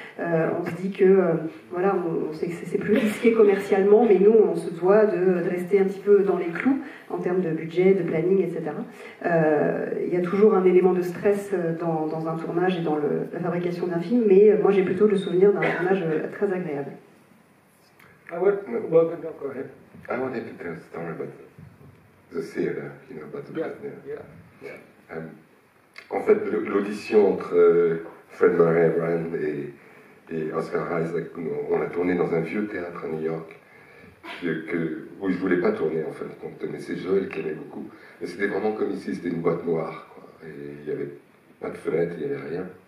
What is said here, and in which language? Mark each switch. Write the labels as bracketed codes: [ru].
[fr] On se dit que on sait que c'est plus risqué commercialement, mais nous, on se doit de rester un petit peu dans les clous en termes de budget, de planning, etc. Il y a toujours un élément de stress dans un tournage et dans la fabrication d'un film, mais moi, j'ai plutôt le souvenir d'un tournage très agréable. [en] I wanted to tell a story about the theater, you know, about the partner. Yeah. [fr] En fait, l'audition entre Fred Murray, Ryan et Oscar Isaac, on a tourné dans un vieux théâtre à New York, où je voulais pas tourner, en fin de compte, mais c'est Joel qui aimait beaucoup. Mais c'était vraiment comme ici, c'était une boîte noire, quoi. Et il y avait pas de fenêtre, il y avait rien.